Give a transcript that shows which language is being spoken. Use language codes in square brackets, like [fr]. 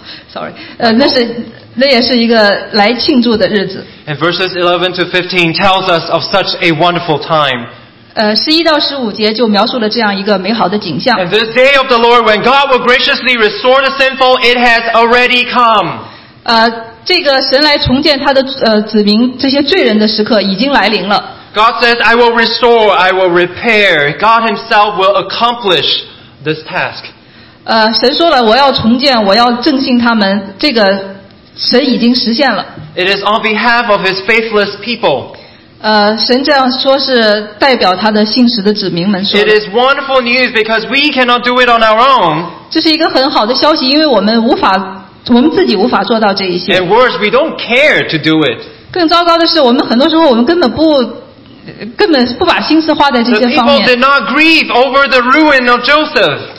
[en] Sorry, [zh] 那也是一个来庆祝的日子。 [en] And verses 11 to 15 tells us of such a wonderful time. [zh] 11到15节就描述了这样一个美好的景象。 [en] And this day of the Lord, when God will graciously restore the sinful, it has already come. [zh] 这个神来重建他的子民这些罪人的时刻已经来临了。 [en] God says, I will restore, I will repair. God himself will accomplish this task. [zh] 神说了我要重建我要正信他们这个神已经实现了 [en] It is on behalf of his faithless people [zh] 神这样说是代表他的信实的子民们说 [en] It is wonderful news because we cannot do it on our own [zh] 这是一个很好的消息因为我们自己无法做到这一些 [en] And worse we don't care to do it [zh] 更糟糕的是我们很多时候我们根本不把心思花在这些方面 [en] The people did not grieve over the ruin of Joseph